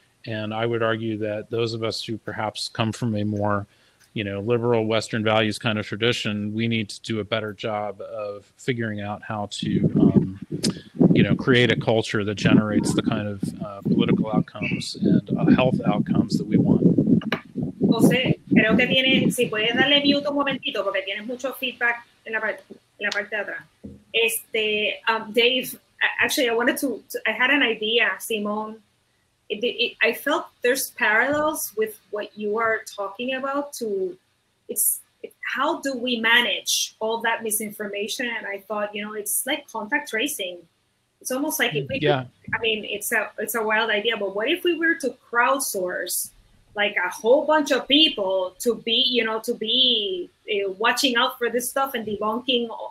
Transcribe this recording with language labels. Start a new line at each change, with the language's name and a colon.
English: And I would argue that those of us who perhaps come from a more, you know, liberal Western values kind of tradition, we need to do a better job of figuring out how to, you know, create a culture that generates the kind of political outcomes and health outcomes that we want.
Spanish: José, creo que tienes, si puedes darle mute un momentito, porque tienes mucho feedback en la parte. La parte de atrás.
English: Este, Dave, actually, I wanted to, I had an idea, Simone. I felt there's parallels with what you are talking about to, how do we manage all that misinformation? And I thought, you know, it's like contact tracing. It's almost like, it's a wild idea, but what if we were to crowdsource like a whole bunch of people to be, you know, to be watching out for this stuff and debunking.